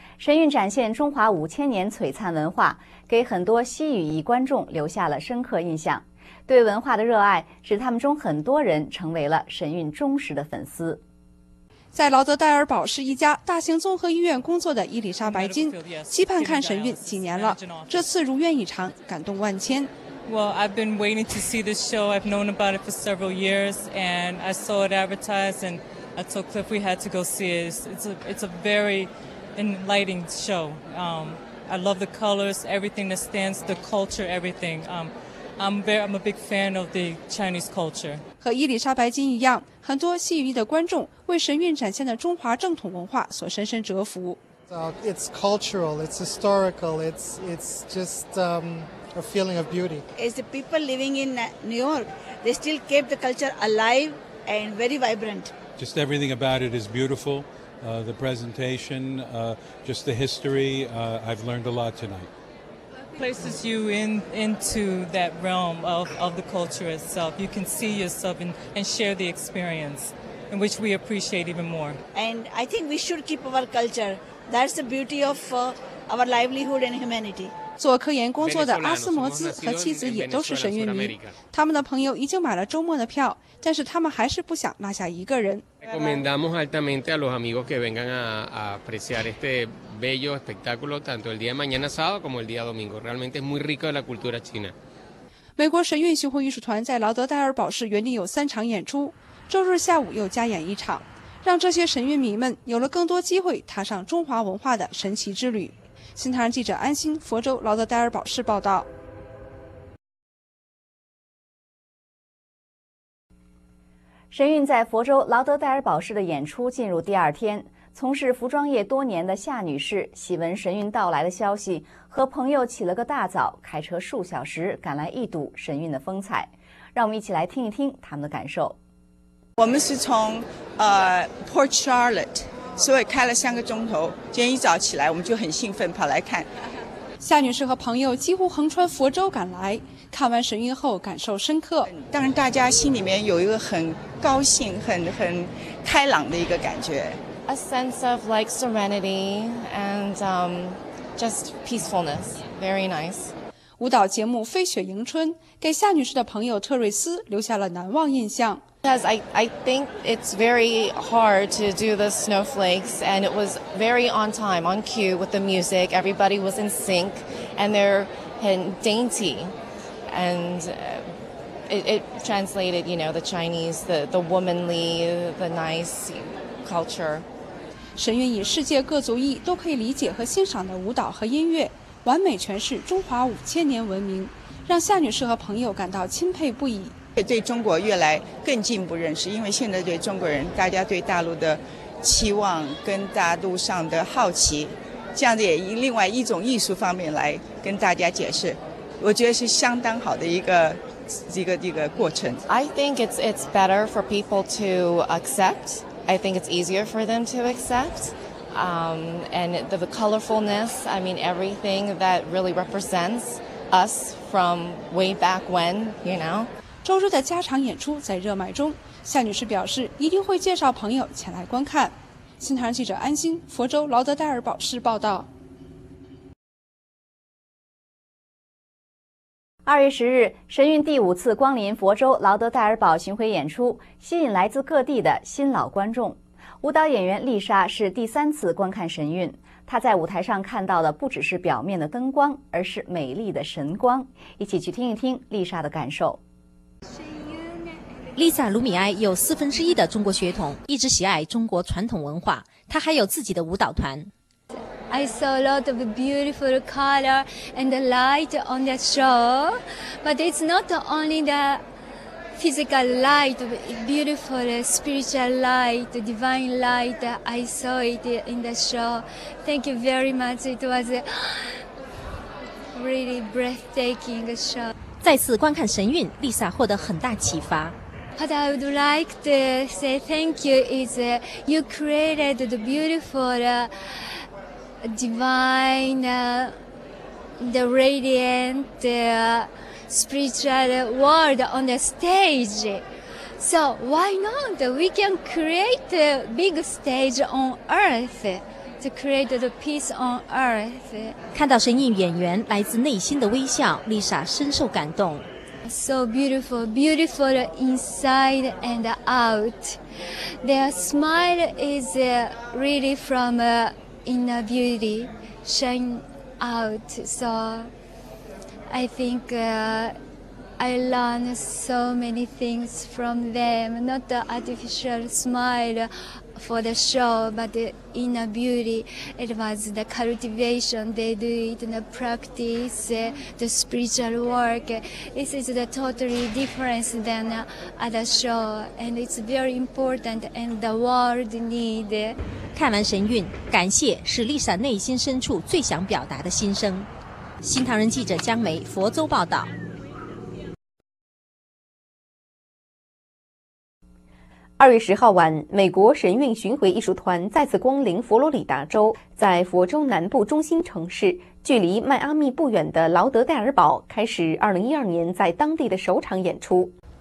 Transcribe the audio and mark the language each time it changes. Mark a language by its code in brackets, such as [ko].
[zh] 神韵展现中华5000年璀璨文化，给很多西语裔观众留下了深刻印象。对文化的热爱使他们中很多人成为了神韵忠实的粉丝。在劳德代尔堡市一家大型综合医院工作的伊丽莎白金，期盼看神韵几年了，这次如愿以偿，感动万千。 [en] Well, I've been waiting to see this show. I've known about it for several years, and I saw it advertised, and I told Cliff we had to go see it. It's a very enlightening show. I love the colors, everything that stands, the culture, everything. I'm a big fan of the Chinese culture. [zh] 和伊丽莎白金一样，很多西语裔的观众为神韵展现的中华正统文化所深深折服。 [en] It's cultural. It's historical. It's just a feeling of beauty. As the people living in New York, they still keep the culture alive and very vibrant. Just everything about it is beautiful. The presentation, just the history. I've learned a lot tonight. Places you into that realm of the culture itself. You can see yourself and share the experience, in which we appreciate even more. And I think we should keep our culture. That's the beauty of our livelihood and humanity. [zh] 做科研工作的阿斯摩兹和妻子也都是神韵迷，他们的朋友已经买了周末的票，但是他们还是不想落下一个人。 [es] Recomendamos altamente a los amigos que vengan a apreciar este bello espectáculo tanto el día de mañana sábado como el día domingo. Realmente es muy rico de la cultura china. [zh] 美国神韵巡回艺术团在劳德代尔堡市原定有三场演出，周日下午又加演一场，让这些神韵迷们有了更多机会踏上中华文化的神奇之旅。新唐人记者安心，佛州劳德代尔堡市报道。神韵在佛州劳德代尔堡市的演出进入第二天，从事服装业多年的夏女士喜闻神韵到来的消息，和朋友起了个大早，开车数小时赶来一睹神韵的风采。让我们一起来听一听他们的感受。我们是从Port Charlotte。所以开了三个钟头，今天一早起来我们就很兴奋跑来看。夏女士和朋友几乎横穿佛州赶来，看完神韵后感受深刻。当然大家心里面有一个很高兴、很开朗的一个感觉。 [en] A sense of like serenity and just peacefulness. Very nice. [zh] 舞蹈节目《飞雪迎春》给夏女士的朋友特瑞斯留下了难忘印象。 [en] Because I think it's very hard to do the snowflakes, and it was very on time, on cue with the music. Everybody was in sync, and they're and dainty, and it translated, you know, the Chinese, the womanly, the nice culture. [zh] 神韵以世界各族裔都可以理解和欣赏的舞蹈和音乐，完美诠释中华五千年文明，让夏女士和朋友感到钦佩不已。对中国越来更进一步认识，因为现在对中国人，大家对大陆的期望跟大陆上的好奇，这样子也以另外一种艺术方面来跟大家解释，我觉得是相当好的一个过程。 [en] I think it's better for people to accept. I think it's easier for them to accept. And the colorfulness. I mean, everything that really represents us from way back when. You know. [zh] 周日的加场演出在热卖中，夏女士表示一定会介绍朋友前来观看。新唐人记者安心，佛州劳德代尔堡市报道。 2月10日，神韵第五次光临佛州劳德代尔堡巡回演出，吸引来自各地的新老观众。舞蹈演员丽莎是第三次观看神韵。他在舞台上看到的不只是表面的灯光，而是美丽的神光。一起去听一听丽莎的感受。丽萨·卢米埃有四分之一的中国血统，一直喜爱中国传统文化。她还有自己的舞蹈团。 [en] I saw a lot of beautiful color and the light on that show, but it's not only the physical light, beautiful spiritual light, divine light. I saw it in the show. Thank you very much. It was a really breathtaking show. [zh] 再次观看神韵，丽萨获得很大启发。 [en] What I would like to say thank you is you created the beautiful, divine, the radiant, spiritual world on the stage. So why not? We can create a big stage on Earth to create the peace on Earth. [zh] 看到神印演员来自内心的微笑， Lisa 深受感动。 [en] So beautiful, beautiful inside and out. Their smile is really from inner beauty, shine out. So I think I learned so many things from them. Not the artificial smile for the show, but the inner beauty. It was the cultivation they do it in the practice, the spiritual work. This is the totally different than other show, and it's very important and the world need. [zh] 看完神韵，感谢是 Lisa 内心深处最想表达的心声。新唐人记者江梅，佛州报道。二月十号晚，美国神韵巡回艺术团再次光临佛罗里达州，在佛州南部中心城市，距离迈阿密不远的劳德代尔堡，开始2012年在当地的首场演出。